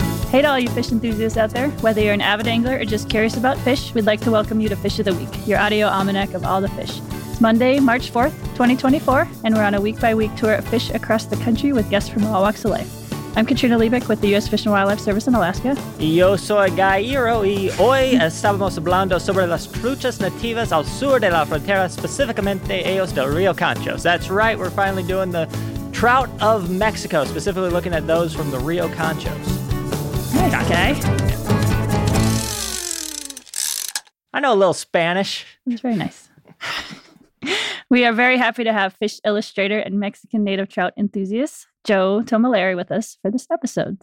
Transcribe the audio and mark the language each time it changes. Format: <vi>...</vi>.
<en>Hey to all you fish enthusiasts out there. Whether you're an avid angler or just curious about fish, we'd like to welcome you to Fish of the Week, your audio almanac of all the fish. It's Monday, March 4th, 2024, and we're on a week-by-week tour of fish across the country with guests from all walks of life. I'm Katrina Liebig with the U.S. Fish and Wildlife Service in Alaska.</en> <es>Yo soy Gairo y hoy estamos hablando sobre las truchas nativas al sur de la frontera, específicamente ellos del Río Conchos.</es> <en>That's right, we're finally doing the trout of Mexico, specifically looking at those from the Río Conchos. Okay. I know a little Spanish. That's very nice. We are very happy to have fish illustrator and Mexican native trout enthusiast Joe Tomelleri with us for this episode.</en>